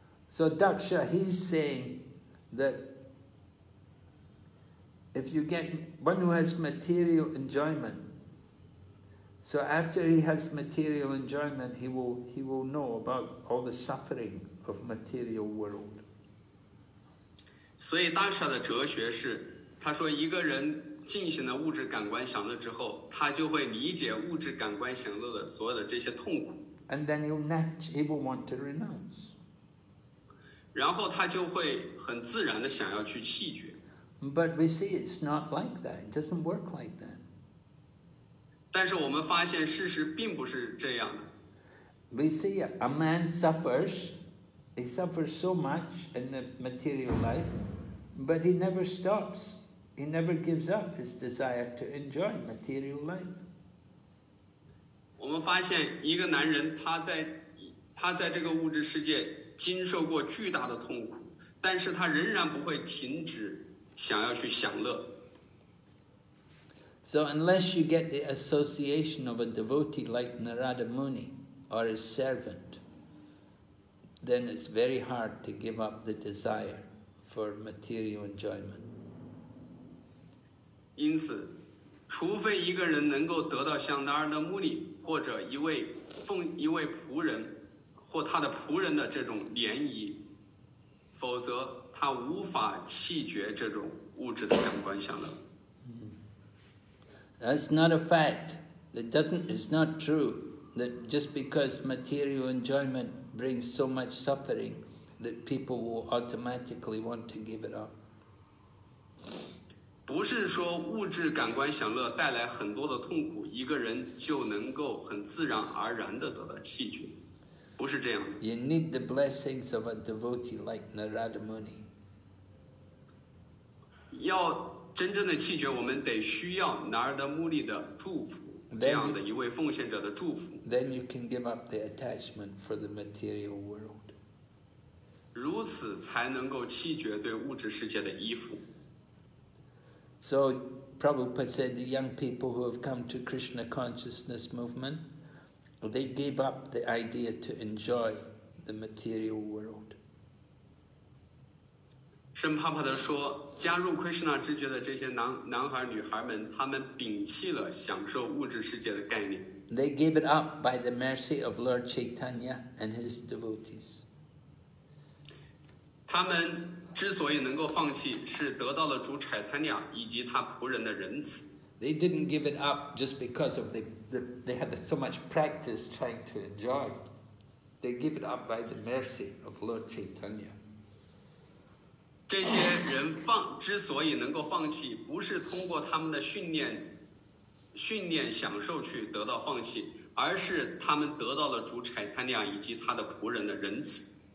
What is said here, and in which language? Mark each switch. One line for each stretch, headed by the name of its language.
English: So Daksha, he's saying that if you get one who has material enjoyment. So after he has material enjoyment, he will know about all the suffering of material world.
Chinese: 所以 Daksha 的哲学是，他说一个人进行了物质感官享乐之后，他就会理解物质感官享乐的所有的这些痛苦。
English: And then he will want to renounce.
Chinese: 然后他就会很自然的想要去弃绝。
English: But we see it's not like that. It doesn't work like that.
Chinese: 但是我们发现事实并不是这样的。
English: We see a man suffers, he suffers so much in the material life, but he never stops, he never gives up his desire to enjoy material life.
Chinese: 我们发现一个男人他在这个物质世界经受过巨大的痛苦，但是他仍然不会停止想要去享乐。
English: So unless you get the association of a devotee like Narada Muni or his servant, then it's very hard to give up the desire for material enjoyment.
Chinese: 因此，除非一个人能够得到像 Narada Muni 或者一位仆人或他的仆人的这种涟漪，否则他无法弃绝这种物质的感官享乐。
English: That's not a fact. It's not true that just because material enjoyment brings so much suffering that people will automatically want to give it up.
Chinese: 不是说物质感官享乐带来很多的痛苦，一个人就能够很自然而然地得到弃绝，不是这样的。
English: You need the blessings of a devotee like Narada Muni.
Chinese: 要真正的弃绝，我们得需要南尔德穆利的祝福，这样的一位奉献者的祝福。
English: Then you can give up the attachment for the material world.
Chinese: 如此才能够弃绝对物质世界的依附。
English: So, Prabhupada said the young people who have come to Krishna consciousness movement, they gave up the idea to enjoy the material world.
Chinese: 圣帕帕的说，加入 Krishna 知觉的这些男孩女孩们，他们摒弃了享受物质世界的概念。
English: They gave it up by the mercy of Lord Chaitanya and his devotees.
Chinese: 他们之所以能够放弃，是得到了主 Chaitanya 以及他仆人的仁慈。
English: They didn't give it up just because of they had so much practice trying to enjoy. They gave it up by the mercy of Lord Chaitanya.
Chinese: 这些人之所以能够放弃，不是通过他们的训练享受去得到放弃，而是他们得到了主柴坦亚以及他的仆人的仁慈。